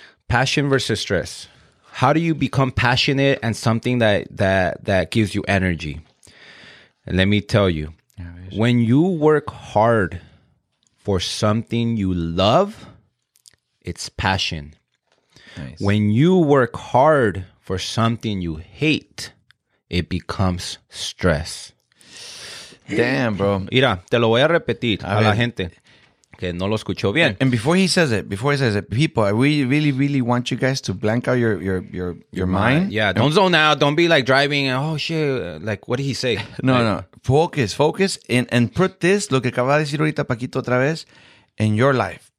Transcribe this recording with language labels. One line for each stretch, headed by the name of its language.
English: Passion versus stress. How do you become passionate and something that gives you energy? And let me tell you. When you work hard for something you love, it's passion. Nice. When you work hard for something you hate, it becomes stress. Damn, bro.
Spanish: Mira, te lo voy a repetir a la gente que no lo escuchó bien.
English: And before he says it, people, I really, really, really want you guys to blank out your mind. Yeah, don't zone out. Don't be like driving. Oh, shit. Like, what did he say? No. Focus. And put this,
Spanish: lo que acaba de decir ahorita Paquito otra vez,
English: in your life.